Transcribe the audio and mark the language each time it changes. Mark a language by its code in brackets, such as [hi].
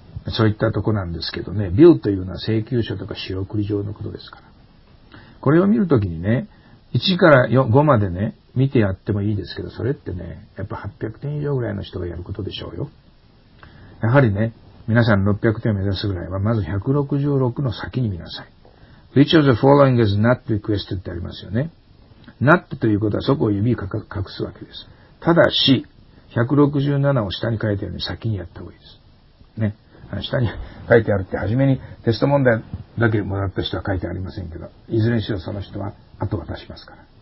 [ja] そういったとこなんですけどね、ビューというのは請求書とか仕送り場のことですから。これを見るときにね、1から5までね、見てやってもいいですけど、それってね、やっぱ800点以上ぐらいの人がやることでしょうよ。やはりね、皆さん600点を目指すぐらいは、まず166の先に見なさい。 [en] Which of the following is not requested [ja] ってありますよね。 not ということはそこを指を隠すわけです。ただし、167を下に書いてあるように先にやった方がいいです。ね。下に書いてあるって、初めにテスト問題だけもらった人は書いてありませんけど、いずれにしろその人は後渡しますから。